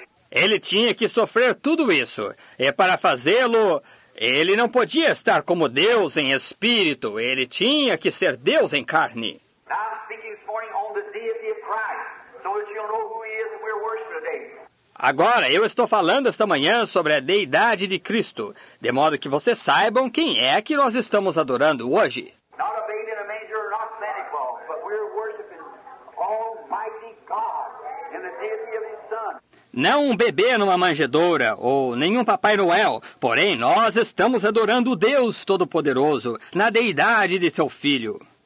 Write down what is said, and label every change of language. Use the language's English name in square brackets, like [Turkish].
[Portuguese] Ele tinha que sofrer tudo isso. E para fazê-lo, ele não podia estar como Deus em espírito. Ele tinha que ser Deus em carne. [English] preaching this morning on the deity of Christ, so that you'll know who he is and we're worshiping today. [Portuguese] Agora, eu estou falando esta manhã sobre a Deidade de Cristo, de modo que vocês saibam quem é que nós estamos adorando hoje. [English] Not a baby in a manger, not Santa Claus, but we're worshiping Almighty God in the deity of his Son. [Portuguese] Não um bebê numa manjedoura, ou nenhum Papai Noel, porém nós estamos adorando o Deus Todo-Poderoso na Deidade de seu Filho.